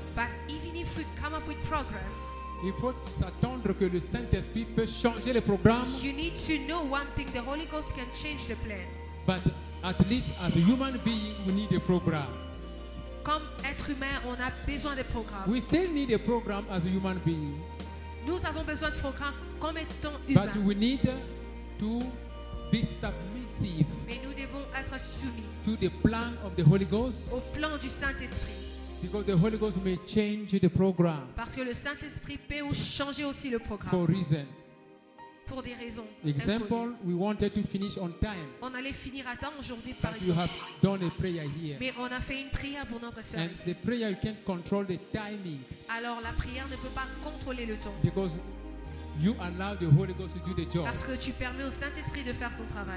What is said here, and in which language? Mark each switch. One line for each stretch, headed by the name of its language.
English: But even if we come up with programs,
French: il faut s'attendre que le Saint-Esprit peut changer les programmes.
English: You need to know one thing: the Holy Ghost can change the plan. But at least as a human being, we need a program.
French: Comme être humain, on a besoin de programmes.
English: We still need a program as a human being.
French: Nous avons besoin de programmes comme étant humain.
English: But we need to be submissive.
French: Mais nous devons être soumis.
English: To the plan of the Holy Ghost.
French: Au plan du Saint-Esprit.
English: Because the Holy Ghost may change the program.
French: Parce que le Saint-Esprit peut changer aussi le programme.
English: For reason.
French: Pour des raisons.
English: Example,
French: inconnues.
English: We wanted to finish on time.
French: On allait finir à temps aujourd'hui
English: but
French: par exemple.
English: You have done a prayer here.
French: Mais on a fait une prière pour notre soeur.
English: And the prayer you can't control the timing.
French: Alors la prière ne peut pas contrôler le temps.
English: Because you allow the Holy Ghost to do the job.
French: Parce que tu permets au Saint-Esprit de faire son travail.